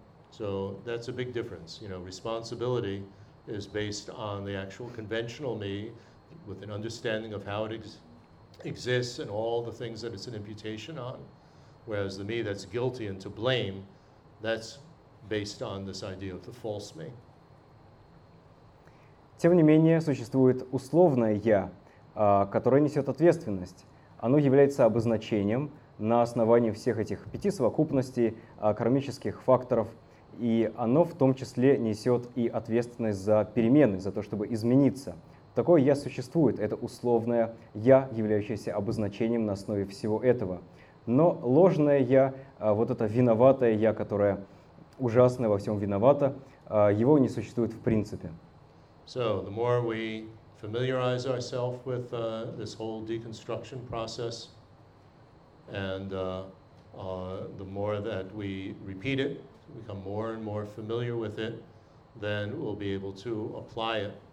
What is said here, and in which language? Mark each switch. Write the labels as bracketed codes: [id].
[en] So that's a big difference. You know, responsibility is based on the actual conventional me with an understanding of how it exists and all the things that it's an imputation on, whereas the me that's guilty and to blame, that's based on this idea of the false me. [ru] Тем не менее, существует условное «я», которое несет ответственность. Оно является обозначением на основании всех этих пяти совокупностей кармических факторов, и оно в том числе несет и ответственность за перемены, за то, чтобы измениться. Такое «я» существует, это условное «я», являющееся обозначением на основе всего этого. Но ложное «я», вот это виноватое «я», которое ужасно во всем виновато, его не существует в принципе. [en] So, the more we familiarize ourselves with this whole deconstruction process, and the more that we repeat it, become more and more familiar with it, then we'll be able to apply it.